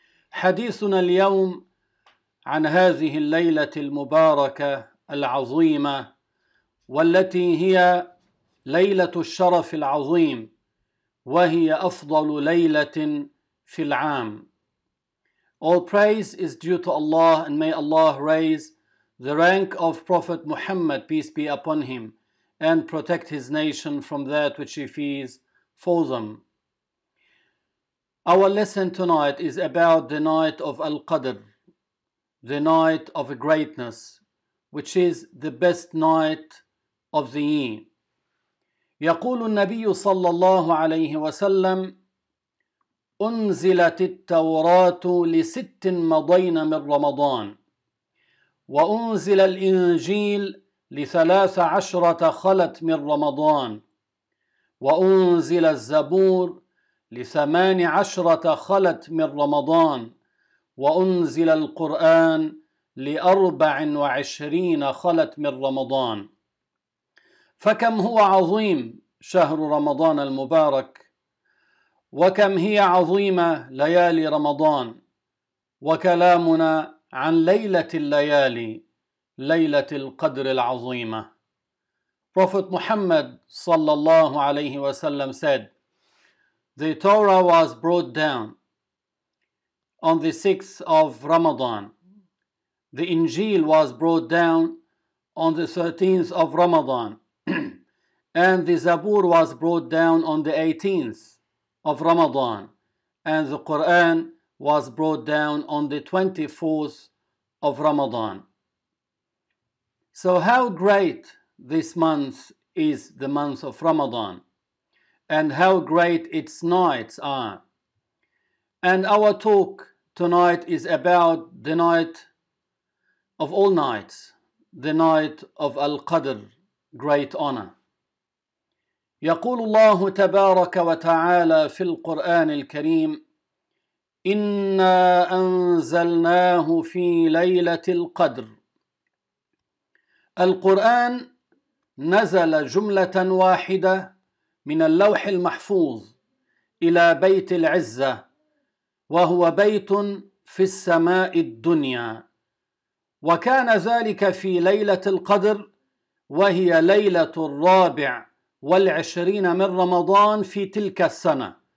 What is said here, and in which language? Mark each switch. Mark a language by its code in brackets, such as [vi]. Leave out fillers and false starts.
[ar] حديثنا اليوم عن هذه الليلة المباركة العظيمة والتي هي ليلة الشرف العظيم، وهي أفضل ليلة في العام. [en] All praise is due to Allah, and may Allah raise the rank of Prophet Muhammad, peace be upon him, and protect his nation from that which he fears for them. Our lesson tonight is about the night of Al-Qadr, the night of greatness, which is the best night of the year. [ar] يقول النبي صلى الله عليه وسلم: أنزلت التوراة لست مضين من رمضان وأنزل الإنجيل لثلاث عشرة خلت من رمضان وأنزل الزبور لثمان عشرة خلت من رمضان وأنزل القرآن لأربع وعشرين خلت من رمضان. فكم هو عظيم شهر رمضان المبارك، وكم هي عظيمة ليالي رمضان. وكلامنا عن ليلة الليالي، ليلة القدر العظيمة. [en] Prophet Muhammad [ar] صلى الله عليه وسلم [en] said, the Torah was brought down on the 6th of Ramadan. The Injil was brought down on the 13th of Ramadan. And the Zabur was brought down on the 18th of Ramadan. And the Quran was brought down on the 24th of Ramadan. So how great this month is, the month of Ramadan, and how great its nights are. And our talk tonight is about the night of all nights, the night of Al-Qadr, great honor. [ar] يقول الله تبارك وتعالى في القرآن الكريم: إنا أنزلناه في ليلة القدر. القرآن نزل جملة واحدة من اللوح المحفوظ إلى بيت العزة، وهو بيت في السماء الدنيا، وكان ذلك في ليلة القدر، وهي ليلة الرابع والعشرين من رمضان في تلك السنة.